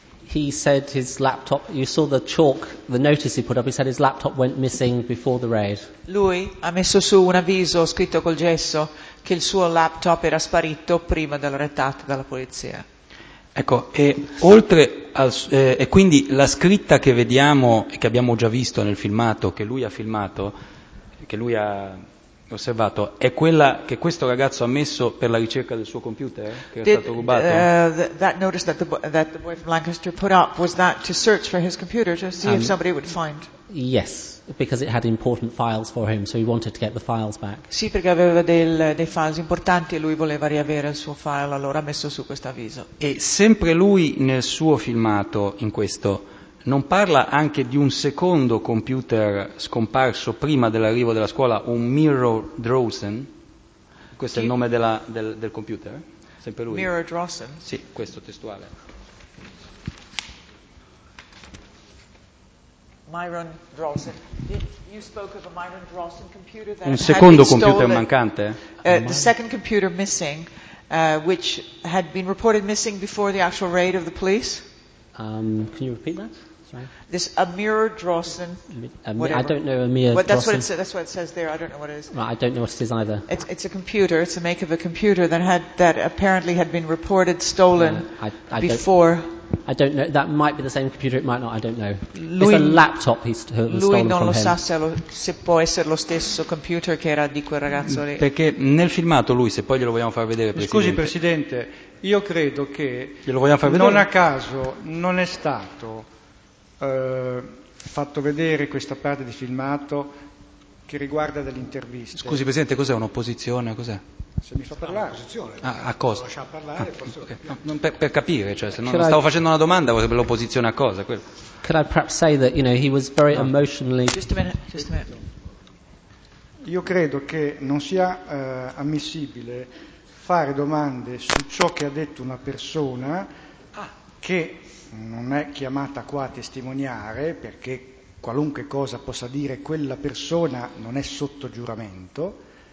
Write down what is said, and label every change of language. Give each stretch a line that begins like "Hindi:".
English: He said his laptop, you saw the chalk, the notice he put up, he said his laptop went missing before the raid.
Italian: Lui ha messo su un avviso scritto col gesso che il suo laptop era sparito prima del retat dalla polizia. Ecco, e oltre al, e quindi la scritta che vediamo e che abbiamo già visto nel filmato, che lui ha filmato, che lui ha osservato, è quella che questo ragazzo ha messo per la ricerca del suo computer, che è stato rubato?
English: That notice that the boy from Lancaster put up, was that to search for his computer, to see if somebody would find? Yes, because it had important files for him, so he wanted to get the files back.
Italian: Sì, perché aveva dei files importanti e lui voleva riavere il suo file, allora ha messo su questo avviso. E sempre lui nel suo filmato, in questo, non parla anche di un secondo computer scomparso prima dell'arrivo della scuola, un Miro Drosen? Questo è il nome del computer? Sempre lui. Miro Drosen? Sì, questo testuale.
English: Myron Drosen. You spoke of a Myron Drosen computer that
Italian: un secondo computer mancante?
English: The second computer missing, which had been reported missing before the actual raid of the police. Can you repeat that? Sorry. This Amir Drosen. I don't know Amir Drosen. That's what it says there. I don't know what it is. Right, I don't know what it is either. It's a computer. It's a make of a computer that apparently had been reported stolen before. I don't know. That might be the same computer. It might not. I don't know. It's a laptop he's stolen from him.
Italian: Lui non lo sa se può essere lo stesso computer che era di quel ragazzo lì. Perché nel filmato lui, se poi glielo vogliamo far vedere. Scusi Presidente, io credo che non a caso non è stato fatto vedere questa parte di filmato che riguarda delle interviste. Scusi Presidente, cos'è un'opposizione? Cos'è? Se mi fa parlare, a cosa? Lascia parlare, posso... No, per capire, cioè, se non stavo facendo una domanda, vorrebbe l'opposizione a cosa? Quello.
English: Could I perhaps say that, you know, he was very emotionally... Just a minute.
Italian: Io credo che non sia ammissibile fare domande su ciò che ha detto una persona che non è chiamata qua a testimoniare, perché qualunque cosa possa dire quella persona non è sotto giuramento.